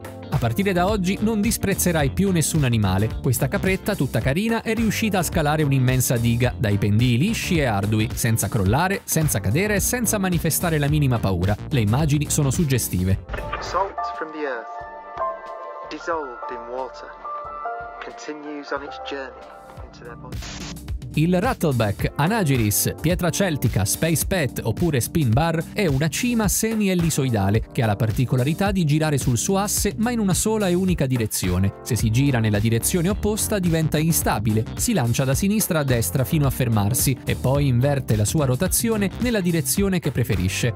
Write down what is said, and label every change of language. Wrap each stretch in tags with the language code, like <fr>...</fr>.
<it>A partire da oggi non disprezzerai più nessun animale. Questa capretta, tutta carina, è riuscita a scalare un'immensa diga, dai pendii lisci e ardui, senza crollare, senza cadere e senza manifestare la minima paura. Le immagini sono suggestive.</it> <en>Salt from the earth, dissolved in water, continues on its journey into their body.</en> <it>Il Rattleback, Anagyris, Pietra Celtica, Space Pet oppure Spin Bar è una cima semi-ellisoidale che ha la particolarità di girare sul suo asse ma in una sola e unica direzione. Se si gira nella direzione opposta diventa instabile, si lancia da sinistra a destra fino a fermarsi e poi inverte la sua rotazione nella direzione che preferisce.</it>